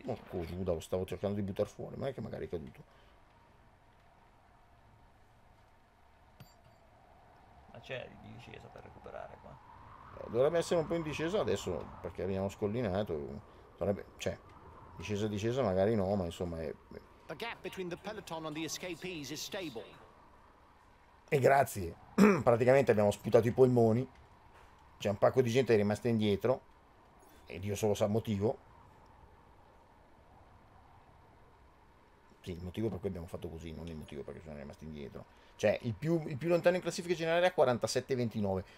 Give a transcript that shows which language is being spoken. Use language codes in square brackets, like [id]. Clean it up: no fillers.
[it] Porco Giuda, lo stavo cercando di buttare fuori, ma è che magari è caduto. Ma c'è di discesa per recuperare qua. Dovrebbe essere un po' in discesa adesso perché abbiamo scollinato. Dovrebbe, cioè, discesa discesa magari no, ma insomma è. [en] The gap between the peloton and the escapees is stable. [it] E grazie. Praticamente abbiamo sputato i polmoni. C'è un pacco di gente rimasta indietro e Dio solo sa il motivo. Sì, il motivo per cui abbiamo fatto così, non il motivo perché sono rimasti indietro. Cioè, il più lontano in classifica generale era 47-29.